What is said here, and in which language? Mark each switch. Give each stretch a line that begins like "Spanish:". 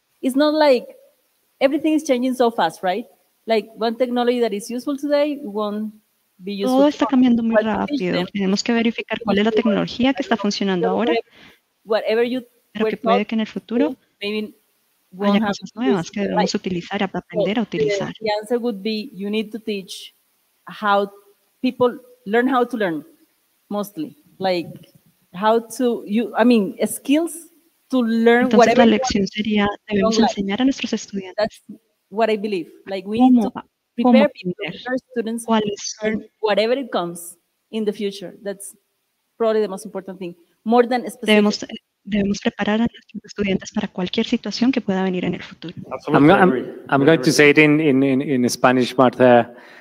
English: It's not like everything is changing so fast, right? Like one technology that is useful today won't be useful.
Spanish: Todo está cambiando muy rápido. Tenemos que verificar cuál es la tecnología que está funcionando ahora.
English: Whatever you
Spanish: pero que puede que en el futuro
English: maybe
Spanish: haya cosas nuevas que debemos like, utilizar y aprender a utilizar.
English: The answer would be you need to teach how people learn how to learn mostly like how to you I mean skills to learn
Spanish: entonces,
English: whatever
Spanish: la lección sería debemos enseñar a nuestros estudiantes.
English: That's what I believe like we need to prepare people prepare students to learn whatever it comes in the future. That's probably the most important thing more than specific.
Spanish: Debemos preparar a nuestros estudiantes para cualquier situación que pueda venir en el futuro.
English: I'm going to say it in Spanish, Martha.